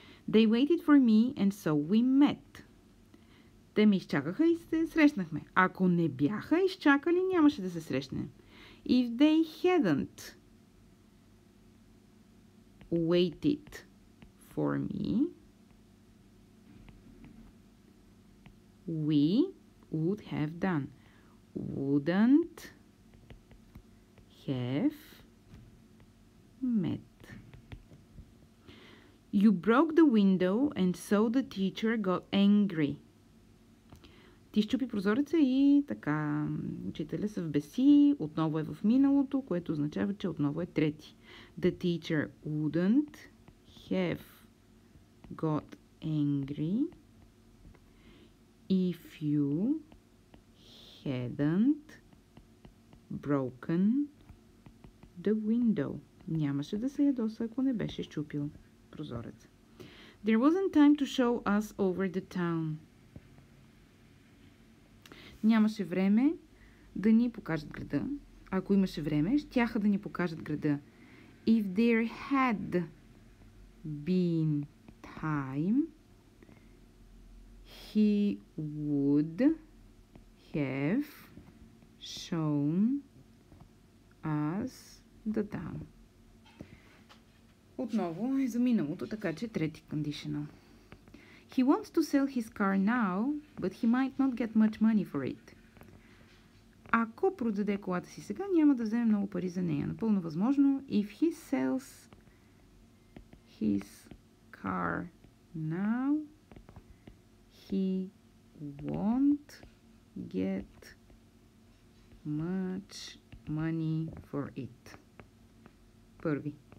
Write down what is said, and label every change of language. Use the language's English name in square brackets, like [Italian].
[English] They waited for me and so we met. [Bulgarian] Те ме изчакаха и се срещнахме. Ако не бяха изчакали, нямаше да се срещнем. [English] If they hadn't waited for me, we would have done. Wouldn't have met. You broke the window and so the teacher got angry. [Bulgarian] Ти щупи прозореца и така учителя се вбеси, отново е в миналото, което означава, че отново е трети. [English] The teacher wouldn't have got angry if you hadn't broken the window. [Bulgarian] Нямаше да се ядоса, ако не беше щупил прозорец. [English] There wasn't time to show us over the town. [Bulgarian] Нямаше време да ни покажат града. Ако имаше време, щяха да ни покажат града. [English] If there had been time, he would have shown us the town. [Bulgarian] Отново е за миналото, така че трети conditional. [English] He wants to sell his car now, but he might not get much money for it. [Bulgarian] Ако продаде колата си сега, няма да вземе много пари за нея. Напълно възможно. [English] If he sells his car now, he won't get much money for it. [Bulgarian] Първи.